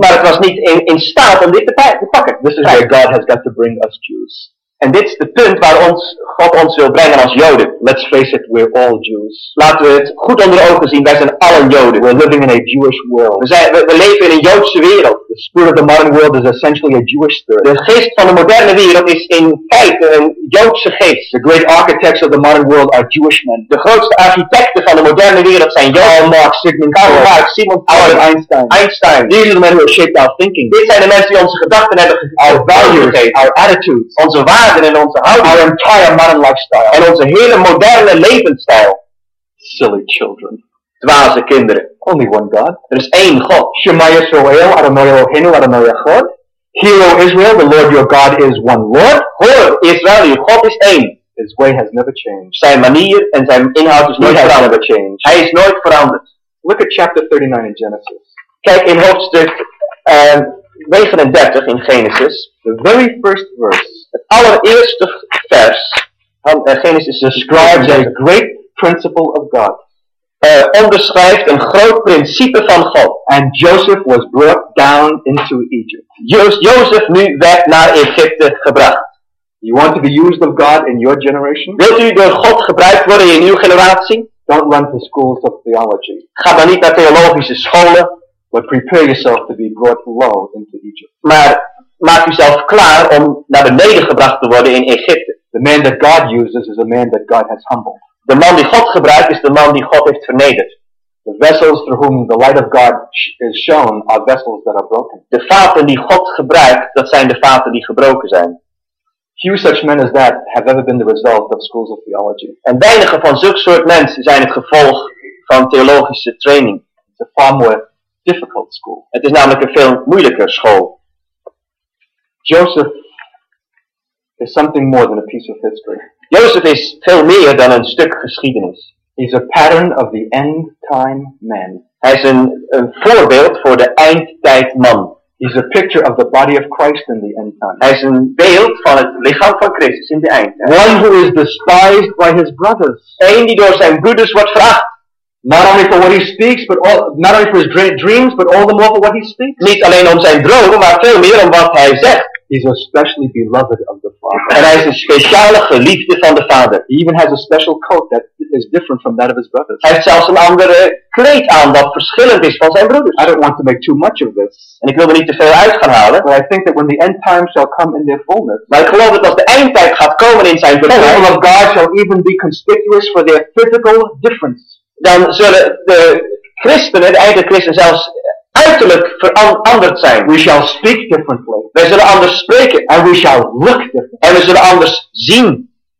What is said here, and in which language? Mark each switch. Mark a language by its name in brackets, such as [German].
[Dutch] Maar het was niet in staat om dit te pakken. [English] This is where God has got to bring us Jews. [Dutch] En dit is de punt waar ons God ons wil brengen als Joden. [English] Let's face it, we're all Jews. [Dutch] Laten we het goed onder de ogen zien. Wij zijn allen Joden. [English] We're living in a Jewish world. [Dutch] We leven in een Joodse wereld. [English] The spirit of the modern world is essentially a Jewish spirit. [Dutch] De geest van de moderne wereld is in feite een Joodse geest. [English] The great architects of the modern world are Jewish men. [Dutch] De grootste architecten van de moderne wereld zijn Joden. [English] Karl Marx, Sigmund Freud, Albert Einstein. These are the men who have shaped our thinking. [Dutch] Dit zijn de mensen die onze gedachten hebben gegeven. [English] Our values, our attitudes, [Dutch] onze waarden. In onze houding. [English] Our entire modern lifestyle. [Dutch] En onze hele moderne levensstijl. [English] Silly children. [Dutch] Dwaze kinderen. [English] Only one God. [Dutch] Er is één God. [Hebrew] Shema Yisrael, Adonai Eloheinu, Adonai Echad. [English] Hear, O Israel, the Lord your God is one Lord. [Dutch] Hoor, Israël, je God is één. [English] His way has never changed. [Dutch] Zijn manier en zijn inhoud is nooit veranderd. [English] Never changed. [Dutch] Hij is nooit veranderd. [English] Look at chapter 39 in Genesis. [Dutch] Kijk in hoofdstuk 39 in Genesis. [English] The very first verse. [Dutch] Het allereerste vers van Genesis [English] describes a great principle of God. [Dutch] Onderschrijft een groot principe van God. [English] And Joseph was brought down into Egypt. [Dutch] Joseph nu werd naar Egypte gebracht. [English] You want to be used of God in your generation? [Dutch] Wilt u door God gebruikt worden in uw generatie? [English] Don't run to schools of theology. [Dutch] Ga dan niet naar theologische scholen. [English] But prepare yourself to be brought low into Egypt. [Dutch] Maar maak jezelf klaar om naar beneden gebracht te worden in Egypte. [English] The man that God uses is a man that God has humbled. [Dutch] De man die God gebruikt is de man die God heeft vernederd. [English] The vessels through whom the light of God is shown are vessels that are broken. [Dutch] De vaten die God gebruikt, dat zijn de vaten die gebroken zijn. [English] Few such men as that have ever been the result of schools of theology. [Dutch] En weinige van zulke soort mensen zijn het gevolg van theologische training. [English] It's a far more difficult school. [Dutch] Het is namelijk een veel moeilijker school. [English] Joseph is something more than a piece of history. [Dutch] Joseph is veel meer dan een stuk geschiedenis. [English] He's a pattern of the end time man. [Dutch] Hij is een voorbeeld voor de eindtijd man. [English] He's a picture of the body of Christ in the end time. [Dutch] Hij is een beeld van het lichaam van Christus in de eindtijd. [English] One who is despised by his brothers. [Dutch] Eén die door zijn broeders wordt veracht. [English] Not only for what he speaks, but all, not only for his dreams, but all the more for what he speaks. [Dutch] Niet alleen om zijn dromen, maar veel meer om wat hij zegt. [English] He's especially beloved of the Father. [Dutch] En hij is een speciale geliefde van de Vader. [English] He even has a special coat that is different from that of his brothers. [Dutch] Hij heeft zelfs een andere kleed aan dat verschillend is van zijn broeders. [English] I don't want to make too much of this. [Dutch] En ik wil er niet te veel uit gaan halen. [English] But I think that when the end times shall come in their fullness. [Dutch] Maar ik geloof dat als de eindtijd gaat komen in zijn volheid. [English] The people of God shall even be conspicuous for their physical difference. [Dutch] Dan zullen de christenen, de eigen christenen zelfs uiterlijk veranderd zijn. [English] We shall speak differently. [Dutch] Wij zullen anders spreken. [English] And we shall look differently. [Dutch] En we zullen anders zien.